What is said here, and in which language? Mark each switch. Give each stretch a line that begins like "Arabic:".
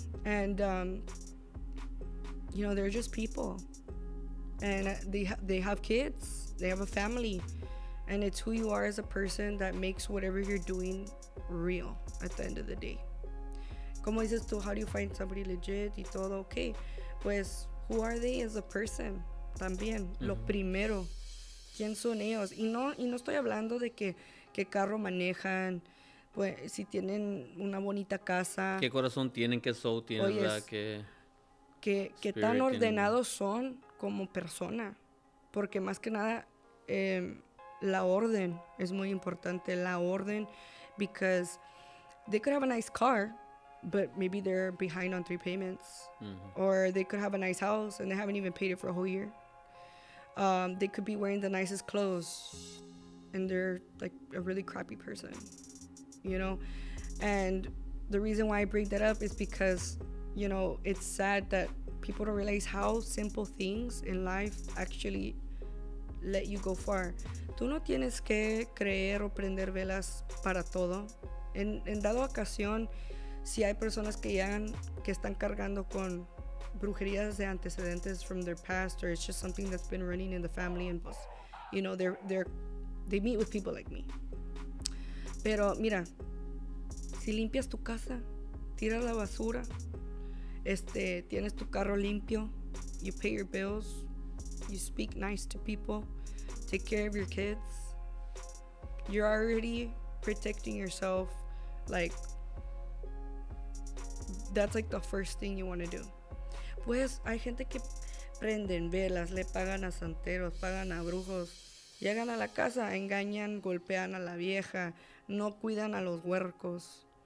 English: And, you know, they're just people, and they have kids. They have a family, and it's who you are as a person that makes whatever you're doing real at the end of the day.
Spanish: Como dices tú,
English: how do you find somebody legit
Spanish: y todo?
English: Okay, pues, who are they as a person?
Spanish: También, mm-hmm. lo primero. ¿Quién son ellos? Y no estoy hablando de que carro manejan, pues, si tienen una bonita casa. ¿Qué corazón tienen? ¿Qué soul tienen? Oye, ¿verdad? ¿Qué tan ordenados son como persona? Porque más que nada, la orden
English: es muy importante, la orden, because they could have a nice car, but maybe they're behind on 3 payments, mm-hmm. or they could have a nice house and they haven't even paid it for a whole year. They could be wearing the nicest clothes and they're like a really crappy person, you know? And the reason why I bring that up is because, you know, it's sad that people don't realize how simple things in life actually let you go far.
Spanish: Tú no tienes que creer o prender velas para todo. En dado ocasión, si hay personas que llegan, que están cargando con brujerías de antecedentes
English: from their past, or it's just something that's been running in the family, and pues, you know, they meet with people like me.
Spanish: Pero mira, si limpias tu casa, tiras la basura, tienes tu carro limpio,
English: you pay your bills, you speak nice to people, take care of your kids, you're already protecting yourself. Like, that's like the first thing you want to do.
Spanish: Pues hay gente que prenden velas, le pagan a santeros, pagan a brujos, llegan a la casa, engañan, golpean a la vieja, no cuidan a los huercos.